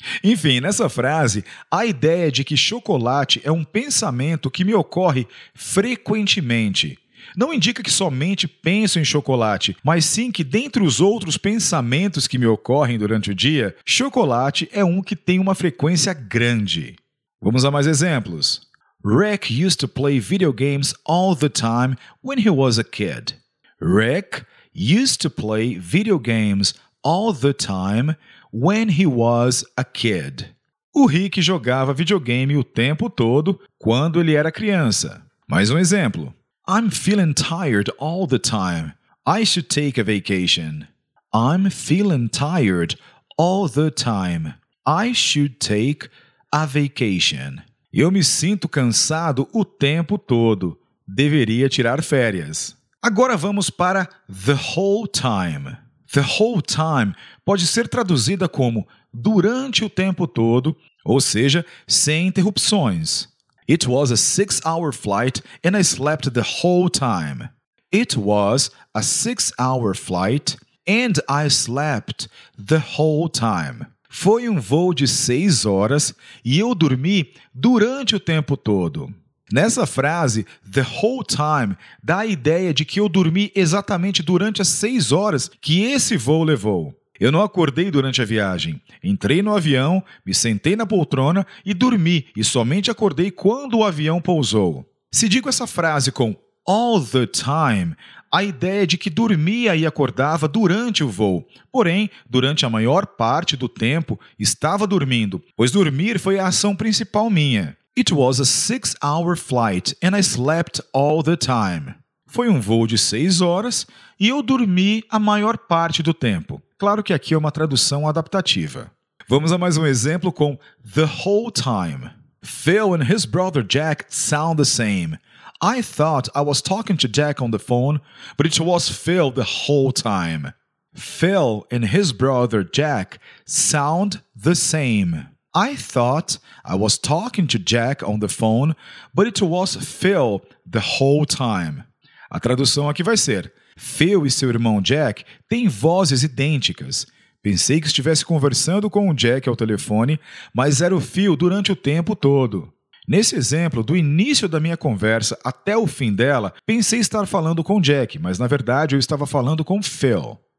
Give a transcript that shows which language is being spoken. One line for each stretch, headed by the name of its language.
Portuguese: Enfim, nessa frase, a ideia de que chocolate é um pensamento que me ocorre frequentemente. Não indica que somente penso em chocolate, mas sim que dentre os outros pensamentos que me ocorrem durante o dia, chocolate é um que tem uma frequência grande. Vamos a mais exemplos.
English: Rick used to play video games all the time when he was a kid. Rick used to play video games all the time when he was a kid.
Portuguese: O Rick jogava videogame o tempo todo quando ele era criança. Mais um exemplo.
English: I'm feeling tired all the time. I should take a vacation. I'm feeling tired all the time. I should take a vacation.
Portuguese: Eu me sinto cansado o tempo todo. Deveria tirar férias. Agora vamos para
English: the whole time. The whole time
Portuguese: pode ser traduzida como durante o tempo todo, ou seja, sem interrupções.
English: It was a 6-hour flight and I slept the whole time. It was a 6-hour flight and I slept the whole time.
Portuguese: Foi um voo de 6 horas e eu dormi durante o tempo todo. Nessa frase,
English: the whole time,
Portuguese: dá a ideia de que eu dormi exatamente durante as 6 horas que esse voo levou. Eu não acordei durante a viagem. Entrei no avião, me sentei na poltrona e dormi, e somente acordei quando o avião pousou. Se digo essa frase com
English: all the time,
Portuguese: a ideia é de que dormia e acordava durante o voo. Porém, durante a maior parte do tempo, estava dormindo, pois dormir foi a ação principal minha.
English: It was a 6-hour flight and I slept all the time.
Portuguese: Foi um voo de 6 horas e eu dormi a maior parte do tempo. Claro que aqui é uma tradução adaptativa. Vamos a mais um exemplo com
English: the whole time. Phil and his brother Jack sound the same. I thought I was talking to Jack on the phone, but it was Phil the whole time. Phil and his brother Jack sound the same. I thought I was talking to Jack on the phone, but it was Phil the whole time.
Portuguese: A tradução aqui vai ser: Phil e seu irmão Jack têm vozes idênticas. Pensei que estivesse conversando com o Jack ao telefone, mas era o Phil durante o tempo todo. Nesse exemplo, do início da minha conversa até o fim dela, pensei estar falando com Jack, mas na verdade eu estava falando com Phil.